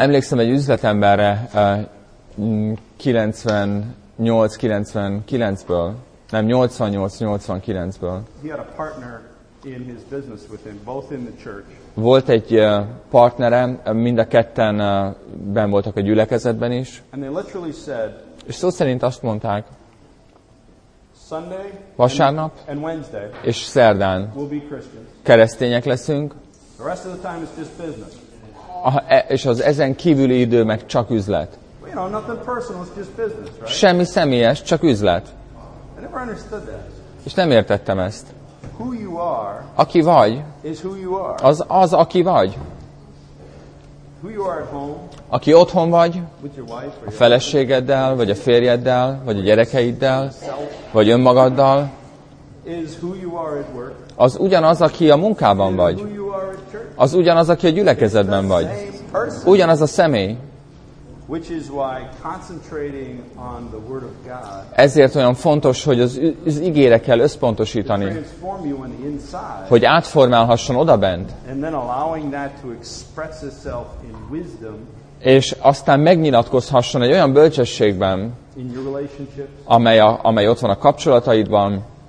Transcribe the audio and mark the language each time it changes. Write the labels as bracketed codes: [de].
[hu] Emlékszem egy üzletemberre 88-99-ből, nem 88-89-ből. [en] He had a partner in his business with him, both in the church. [hu] Volt egy partnerem, mind a ketten benn voltak a gyülekezetben is. [en] And they literally said, [hu] és szó szerint azt mondták, [en] Sunday, [hu] vasárnap [en] and Wednesday, [hu] és szerdán [en] we'll be Christians. [hu] Keresztények leszünk. [en] The rest of the time is just business. [hu] És az ezen kívüli idő meg csak üzlet. [en] You know, nothing personal, it's just business, right? [hu] Semmi személyes, csak üzlet. [en] I never understood that. [hu] És nem értettem ezt. [en] Who you are, [hu] aki vagy, [en] is who you are. [hu] Az aki vagy. [en] Who you are at home, [hu] aki otthon vagy, [en] with your wife, [hu] a feleségeddel, vagy a férjeddel, vagy a gyerekeiddel, vagy önmagaddal, [en] is who you are at work. [hu] Az ugyanaz, aki a munkában vagy. Az ugyanaz, aki a gyülekezetben vagy. Ugyanaz a személy. [en] Which is why concentrating on the word of God, [hu] ezért olyan fontos, hogy az igére kell összpontosítani, [en] inside, [hu] hogy átformálhasson odabent, [en] and then allowing that to express itself in wisdom, [hu] és aztán megnyilatkozhasson egy olyan bölcsességben, [en] in your relationships, [hu] amely ott van a kapcsolataidban,